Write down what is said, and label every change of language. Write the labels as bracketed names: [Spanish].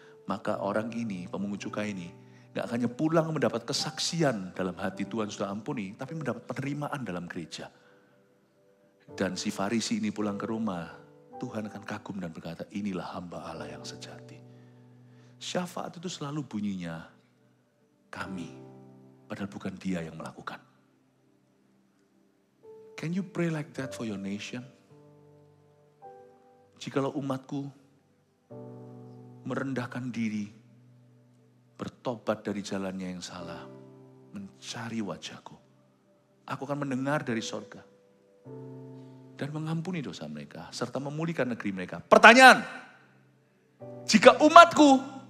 [Indonesian] Maka orang ini, pemungut cukai ini, gak hanya pulang mendapat kesaksian dalam hati Tuhan sudah ampuni, tapi mendapat penerimaan dalam gereja. Dan si Farisi ini pulang ke rumah, Tuhan akan kagum dan berkata, inilah hamba Allah yang sejati. Syafaat itu selalu bunyinya, kami, padahal bukan dia yang melakukan. [English] Can you pray like that for your nation? [Indonesian] Jikalau umatku merendahkan diri, bertobat dari jalannya yang salah, mencari wajahku, aku akan mendengar dari sorga dan mengampuni dosa mereka, serta memulihkan negeri mereka. Pertanyaan, jika umatku